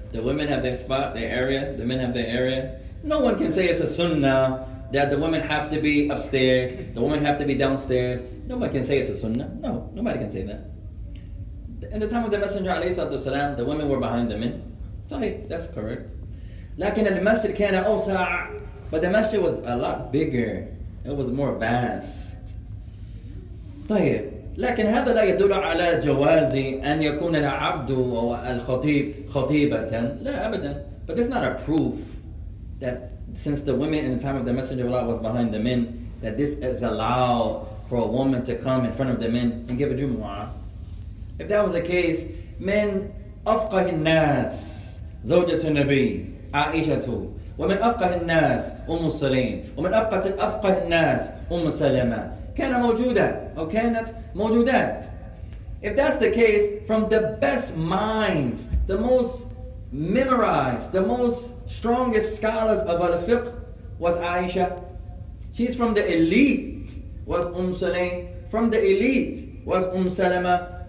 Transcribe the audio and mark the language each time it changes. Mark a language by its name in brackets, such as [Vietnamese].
[English] The women have their spot, their area, the men have their area. No one can say it's a sunnah that the women have to be upstairs, the women have to be downstairs. Nobody can say it's a sunnah. No, nobody can say that. In the time of the Messenger alayhi salatu wasalam, the women were behind the men. Sahih, that's correct. [Arabic] لكن المسجد كان أوسع. [English] But the masjid was a lot bigger. It was more vast. [Arabic] طيب. لكن هذا لا يدل على جواز أن يكون العبد أو الخطيب خطيبة. لا أبدا. [English] But it's not a proof that since the women in the time of the Messenger of Allah was behind the men, that this is allowed for a woman to come in front of the men and give a jumu'ah. If that was the case, men [Arabic] أفقه الناس زوجة النبي عائشة ومن أفقه الناس أم سليم ومن أفقه الناس أم سلمة كان موجودة أو كانت موجودات. [English] If that's the case, from the best minds, the most memorized, the most strongest scholars of al-fiqh was Aisha. She's from the elite was Sulaym. From the elite was Salama.